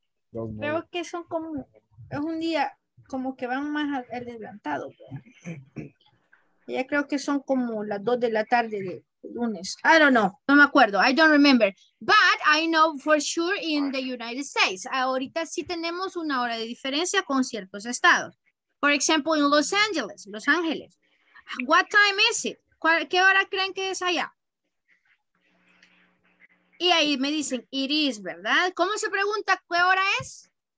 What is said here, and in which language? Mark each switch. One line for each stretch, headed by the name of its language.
Spanish: Creo que son como, es un día como que van más adelantado. Ya creo que son como las 2 de la tarde de lunes.
English: I don't know,
Spanish: no me acuerdo.
English: I don't remember. But I know for sure in the United States.
Spanish: Ahorita sí tenemos una hora de diferencia con ciertos estados.
English: For example, in Los Angeles, Los Ángeles. What time is it?
Spanish: ¿Qué hora creen que es allá? Y ahí me dicen,
English: it is,
Spanish: ¿verdad? ¿Cómo se pregunta qué hora es?